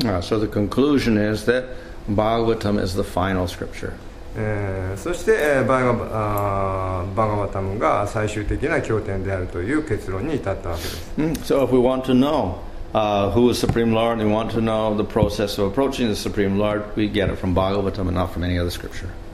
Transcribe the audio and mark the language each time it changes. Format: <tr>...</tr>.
<en>So the conclusion is that Bhagavatam is the final scripture.</en> <ja>そして、バガバタムが最終的な経典であるという結論に至ったわけです。</ja> <en>So if we want to know who is Supreme Lord, and we want to know the process of approaching the Supreme Lord, we get it from Bhagavatam and not from any other scripture.</en>